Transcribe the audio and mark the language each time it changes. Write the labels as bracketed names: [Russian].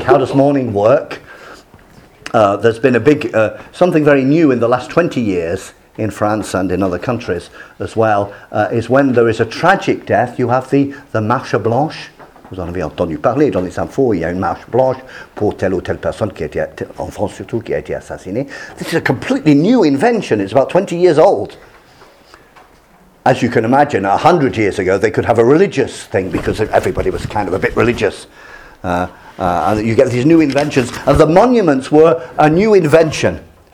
[English] How does mourning work? There's been a big something very new in the last 20 years in France and in other countries as well, is when there is a tragic death, you have the marche blanche. [French] Vous en avez entendu parler dans les infos, il y a une marche blanche pour telle ou telle personne qui a été, en France surtout, qui a été assassinée. [English] This is a completely new invention. It's about 20 years old. As you can imagine, 100 years ago, they could have a religious thing because everybody was kind of a bit religious. And you get these new inventions. And the monuments were a new invention.